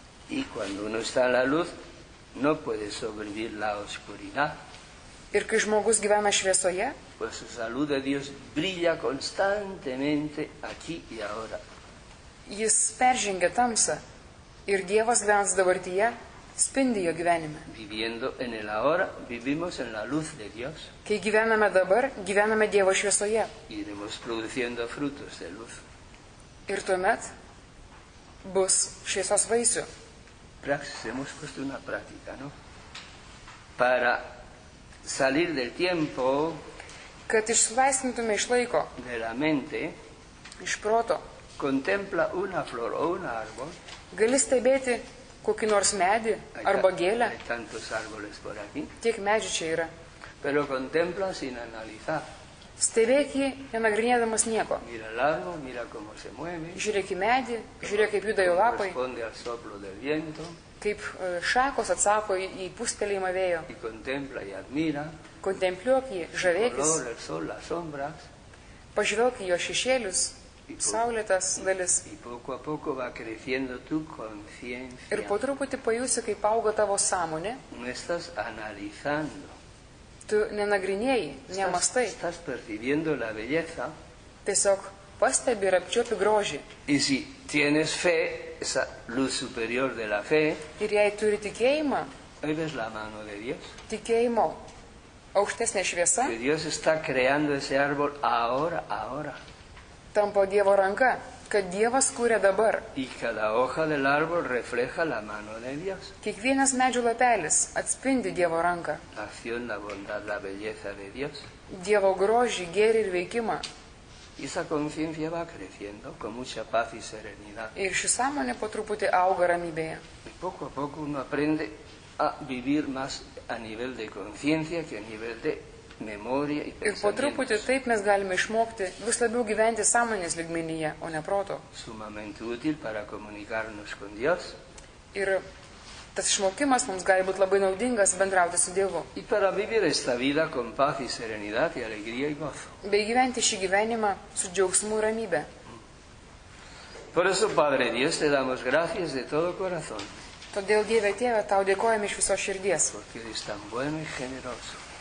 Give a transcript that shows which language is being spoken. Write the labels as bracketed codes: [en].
[es] Y cuando uno está en la luz, no puede sobrevivir la oscuridad. [lt] Ir kai žmogus gyvena šviesoje, [es] pues su salud de Dios brilla constantemente aquí y ahora. [lt] Jis peržengia tamsą ir Dievas gyvens dabartyje, spindi jo gyvenime. [es] Viviendo en el ahora, vivimos en la luz de Dios. [lt] Kai gyvename dabar, gyvename Dievo šviesoje. [es] Iremos produciendo frutos de luz. [lt] Ir tuomet bus šviesos vaisių. [es] Praxis, hemos puesto una práctica, ¿no? Para salir del tiempo, [lt] kad išsilaisvintume iš laiko, [es] de la mente, [lt] iš proto, [es] contempla una flor o un árbol, [lt] gali stebėti kokį nors medį arba gėlę, [es] hay tantos árboles por aquí, [lt] tiek medžių čia yra, [es] pero contempla sin analizar, [lt] stebėk jį, nenagrinėdamas nieko. [es] Mira el árbol, mira cómo se mueve, [lt] žiūrėk į medį, žiūrėk kaip juda jo lapai, [es] responde al soplo del viento, [lt] kaip šakos atsako į pustelėjimą vėjo, [es] y contempla y admira, [lt] kontempliuok jį, žavėkis, [es] color, el sol, las sombras, [lt] pažvelk į jo šešėlius, saulėtas dalis, [es] y poco a poco va creciendo tu conciencia, [lt] ir po truputį pajusi, kaip auga tavo sąmonė, [es] no estás analizando, [lt] tu nenagrinėji, nemastai. [es] Estás percibiendo la belleza. [lt] Tiesiog pastebi ir apčiuopi grožį. [es] Y si tienes fe, esa luz superior de la fe, [lt] ir jei turi tikėjimą, [es] ahí ves la mano de Dios. [lt] Tikėjimo aukštesnė šviesa. [es] Que Dios está creando ese árbol ahora, ahora. [lt] Tampa Dievo ranka, kad Dievas kūrė dabar. [es] Y cada hoja del árbol refleja la mano de Dios. [lt] Kiekvienas medžių lapelis atspindi Dievo ranką. [es] La acción, la bondad, la belleza de Dios. [lt] Dievo grožį, gėrį ir veikimą. [es] Y esa conciencia va creciendo con mucha paz y serenidad. [lt] Ir ši sąmonė po truputį auga ramybėje. [es] Y poco a poco uno aprende a vivir más a nivel de conciencia que a nivel de memoria y [lt] ir po truputį taip mes galime išmokti vis labiau gyventi sąmonės lygmenyje, o ne proto. [es] Sumamente útil para comunicarnos con Dios. [lt] Ir tas išmokimas mums gali būti labai naudingas bendrauti su Dievu. [es] Y para vivir esta vida con paz y serenidad y alegría y gozo. [lt] Bei gyventi šį gyvenimą su džiaugsmu ir ramybe. [es] Por eso, Padre Dios, te damos gracias de todo corazón. [lt] Todėl, Dieve Tėve, tau dėkojame iš visos širdies. [es] Porque eres tan bueno y generoso.